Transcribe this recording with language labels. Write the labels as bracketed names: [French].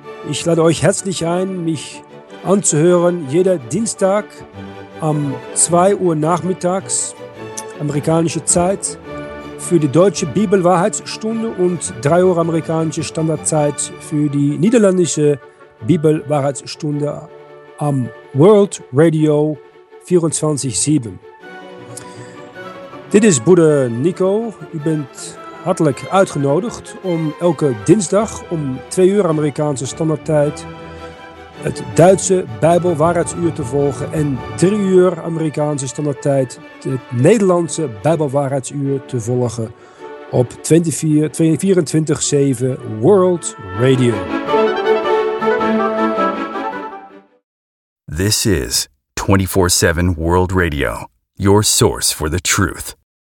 [German] Ich lade euch herzlich ein, mich anzuhören jeder Dienstag um 2 Uhr nachmittags, amerikanische Zeit, für die deutsche Bibelwahrheitsstunde und 3 Uhr amerikanische Standardzeit für die niederländische Bibelwahrheitsstunde am World Radio 24/7. [Dutch] Dit is Broeder Nico. U bent hartelijk uitgenodigd om elke dinsdag om 2 uur Amerikaanse standaardtijd het Duitse Bijbelwaarheidsuur te volgen en 3 uur Amerikaanse standaardtijd het Nederlandse Bijbelwaarheidsuur te volgen op 24/7 World Radio. [English] This is 24/7 World Radio, your source for the truth.